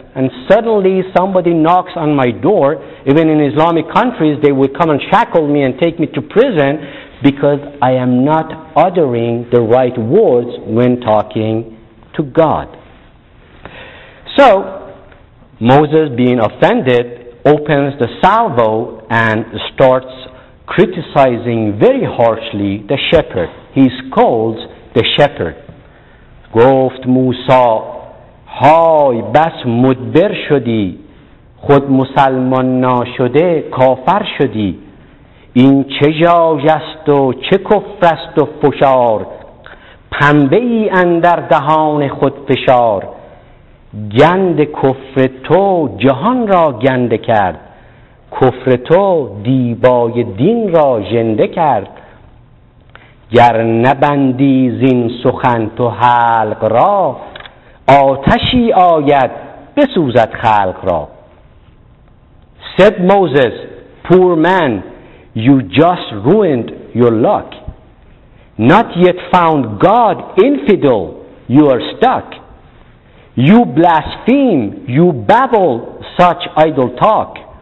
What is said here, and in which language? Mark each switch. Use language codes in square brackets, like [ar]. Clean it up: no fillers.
[en] and suddenly somebody knocks on my door, even in Islamic countries, they would come and shackle me and take me to prison because I am not uttering the right words when talking to God. So, Moses, being offended, opens the salvo and starts criticizing very harshly the shepherd. He scolds the shepherd. [fa] گفت موسی های بس مدبر شدی خود مسلمان ناشده کافر شدی این چه جاجست و چه کفرست و فشار پنبه ای اندر دهان خود فشار گند کفر تو جهان را گنده کرد کفر تو دیبای دین را جنده کرد گر نبندی زین سخن تو حلق را آتشی آید بسوزد خلق را. [en] Said Moses, poor man, you just ruined your luck. Not yet found God, infidel, you are stuck. You blaspheme, you babble such idle talk.